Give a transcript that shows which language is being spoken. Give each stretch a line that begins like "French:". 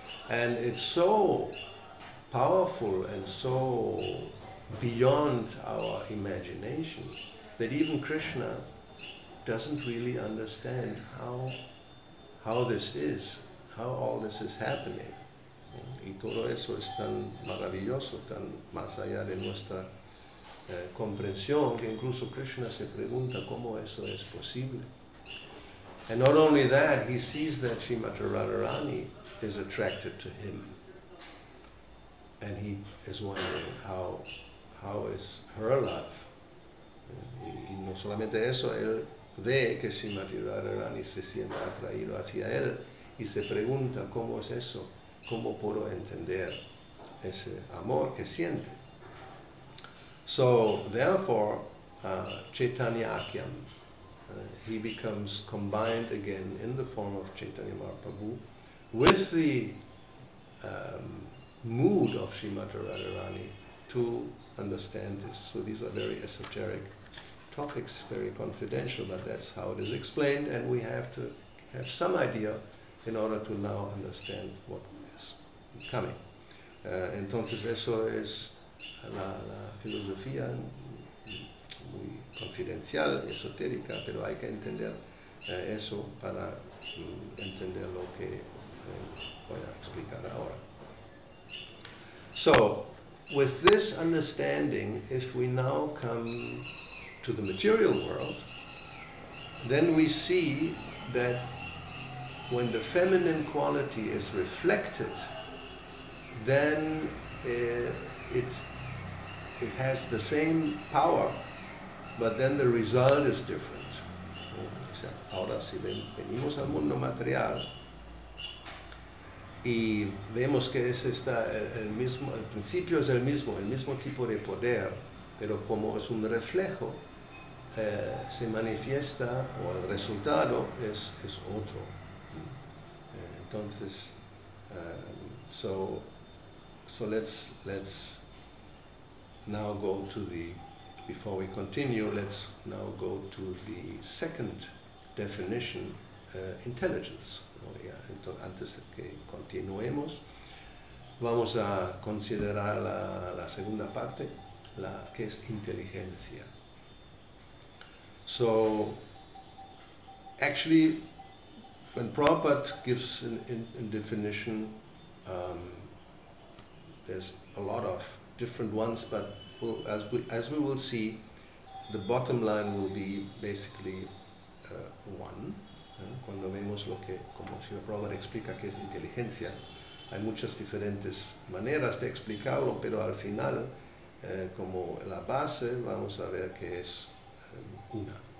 English: And it's so powerful and so beyond our imagination that even Krishna doesn't really understand how this is, how all this is happening.
Spanish: Y todo eso es tan maravilloso, tan más allá de nuestra comprensión, que incluso Krishna se pregunta cómo eso es posible.
English: And not only that, he sees that Srimati Radharani is attracted to him. And he is wondering how is her love.
Spanish: Y no solamente eso, él ve que Srimati Radharani se siente atraído hacia él y se pregunta cómo es eso, cómo puedo entender ese amor que siente.
English: So, therefore, Chaitanya Akyam, he becomes combined again in the form of Chaitanya Mahaprabhu with the mood of Srimati Radharani to understand this. So these are very esoteric topics, very confidential, but that's how it is explained, and we have to have some idea in order to now understand what is coming.
Spanish: Entonces eso es la filosofía muy confidencial, esotérica, pero hay que entender eso para entender lo que voy a explicar ahora.
English: So, with this understanding, if we now come to the material world, then we see that when the feminine quality is reflected, then it has the same power, but then the result is different.
Spanish: O sea, ahora si venimos al mundo material y vemos que es esta el mismo, el principio es el mismo tipo de poder, pero como es un reflejo, se manifiesta, o el resultado es otro.
English: Entonces, so let's now go to the, before we continue, let's now go to the second definition, intelligence.
Spanish: Entonces, antes que continuemos, vamos a considerar la segunda parte, la que es inteligencia.
English: So, actually, when Prabhupada gives a definition, there's a lot of different ones, but we'll, as we will see, the bottom line will be basically one.
Spanish: Cuando vemos lo que, como si Prabhupada explica que es inteligencia, hay muchas diferentes maneras de explicarlo, pero al final, como la base, vamos a ver que es una.